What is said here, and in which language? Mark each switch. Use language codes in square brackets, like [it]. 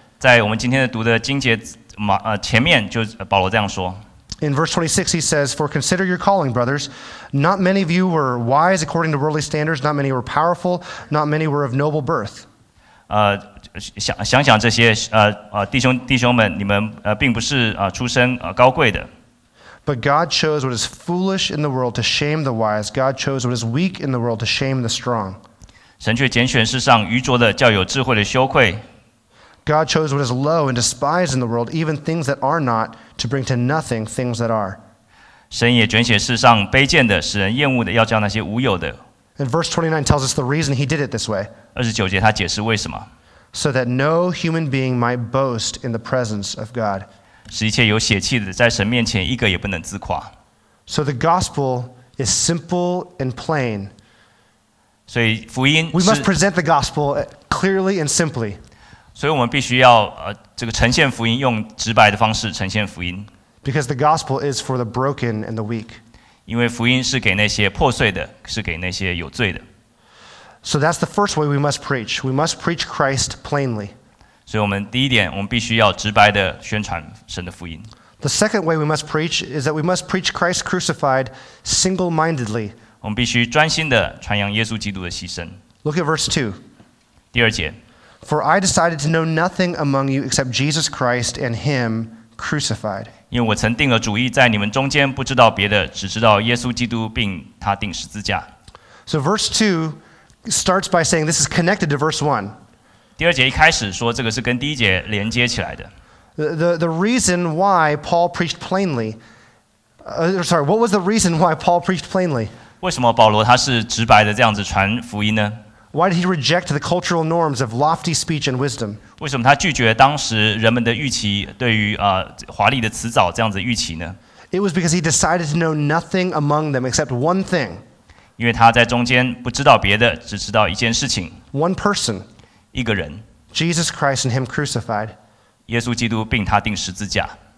[zh] 在我们今天读的经节前面，就保罗这样说。 [en] In verse 26, he says, "For consider your calling, brothers. Not many of you were wise according to worldly standards. Not many were powerful. Not many were of noble birth." [zh] 想想这些弟兄们，你们并不是出身高贵的。 [en] But God chose what is foolish in the world to shame the wise. God chose what is weak in the world to shame the strong. [zh] 神却拣选世上愚拙的，叫有智慧的羞愧。 [en] God chose what is low and despised in the world, even things that are not, to bring to nothing things that are. [zh] 神也拣选世上卑贱的，使人厌恶的，要叫那些无有的。 [en] And verse 29 tells us the reason he did it this way. [zh] 29节他解释为什么。 [en] So that no human being might boast in the presence of God. [zh] 使一切有血气的在神面前一个也不能自夸。 [en] So the gospel is simple and plain. [zh] 所以福音是 [en] We must present the gospel clearly and simply. [zh] 所以我们必须要这个呈现福音，用直白的方式呈现福音。 [en] Because the gospel is for the broken and the weak. [zh] 因为福音是给那些破碎的，是给那些有罪的。 [en] So that's the first way we must preach. We must preach Christ plainly. [zh] 所以我们第一点，我们必须要直白地宣传神的福音。 [en] The second way we must preach is that we must preach Christ crucified single-mindedly. [zh] 我们必须专心地传扬耶稣基督的牺牲。 [en] Look at verse 2. [zh] 第二节。 [en] For I decided to know nothing among you except Jesus Christ and him crucified. [zh] 因为我曾定了主意，在你们中间不知道别的，只知道耶稣基督并他钉十字架。 [en] So verse 2starts by saying this is connected to verse 1. [zh] 第二节一开始说这个是跟第一节连接起来的。 [en] What was the reason why Paul preached plainly? [zh] 为什么保罗他是直白的这样子传福音呢？ [en] Why did he reject the cultural norms of lofty speech and wisdom? [zh] 为什么他拒绝当时人们的预期，对于华丽的辞藻这样子预期呢？ [en] It was because he decided to know nothing among them except one thing. [zh] 因为他在中间不知道别的，只知道一件事情。 [en] One person, [zh] 一个人。 [en] Jesus Christ and Him crucified. [zh] 耶稣基督并他钉十字架。